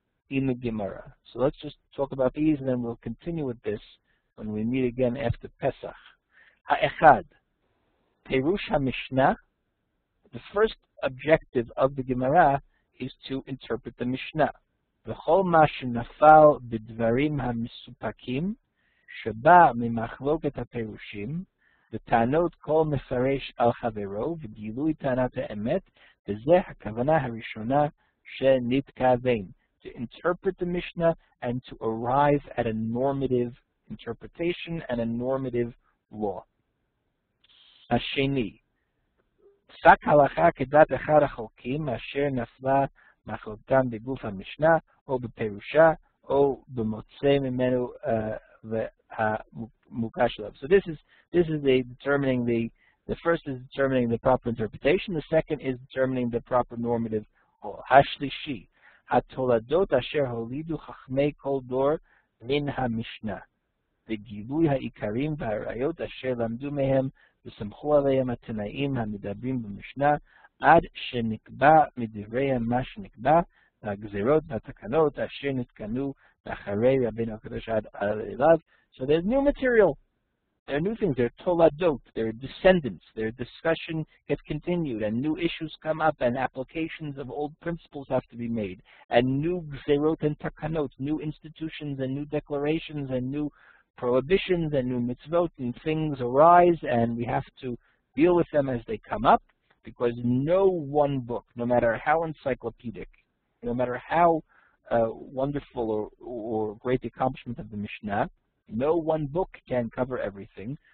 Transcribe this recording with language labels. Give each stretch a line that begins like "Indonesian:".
English: So let's just talk about these, and then we'll continue with this when we meet again after Pesach. Ha-Echad, Perush HaMishnah, the first objective of the Gemara is to interpret the Mishnah.
Hebrew: וכל מה שנפל בדברים המסופקים, שבא ממחלוקת הפירושים, וטענות כל מפרש על חברו, וגילוי טענת האמת, וזה הכוונה הראשונה שנתכוון.
English: To interpret the Mishnah and to arrive at a normative interpretation and a normative law.
Hebrew: השני, פסק הלכה כדת אחד החוקים אשר נפלה מחלוקתם בגוף המשנה או בפירושה או במוצא ממנו המוגש לו.
English: So this is the determining the first is determining the proper interpretation, the second is determining the proper normative law.
Hebrew: השלישי, התולדות אשר הולידו חכמי כל דור מן המשנה, וגילוי העיקרים והראיות אשר למדו מהם וסמכו עליהם התנאים המדברים במשנה עד שנקבע מדבריהם מה שנקבע, והגזירות והתקנות אשר נתקנו אחרי רבין הקדוש עד על אליו.
English: So there's new material. There are new things. There are toladot. There are descendants. Their discussion gets continued, and new issues come up, and applications of old principles have to be made, and new gzerot and takanot, new institutions and new declarations and new prohibitions and new mitzvot, and things arise, and we have to deal with them as they come up, because no one book, no matter how encyclopedic, no matter how wonderful or great the accomplishment of the Mishnah, no one book can cover everything.